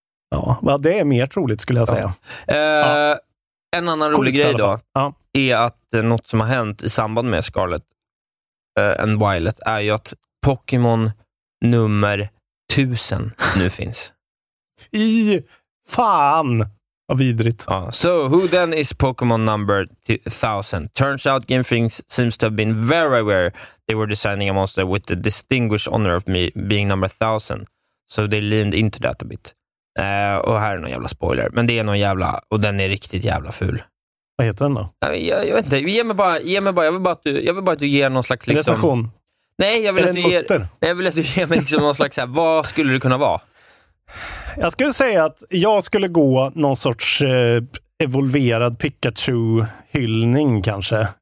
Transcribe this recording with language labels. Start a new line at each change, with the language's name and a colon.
Swedish: Ja, well, det är mer troligt skulle jag säga. Ja. En annan rolig grej då är att något som har hänt i samband med Scarlet and Violet är ju att Pokémon nummer 1000 nu finns. Fy fan! Vad vidrigt.
English: So who then is Pokémon number 1000? Turns out Game Freak seems to have been very aware they were designing a monster with the distinguished honor of me being number 1000. So they leaned into that a bit.
Swedish: Och här är någon jävla spoiler. Men det är någon jävla, och den är riktigt jävla ful. Vad heter den då? Jag vet inte, ge mig bara jag vill bara att du ger någon slags liksom recension. Nej, jag vill att du ger mig liksom någon slags här, vad skulle det kunna vara? Jag skulle säga att jag skulle gå någon sorts evolverad Pikachu-hyllning kanske.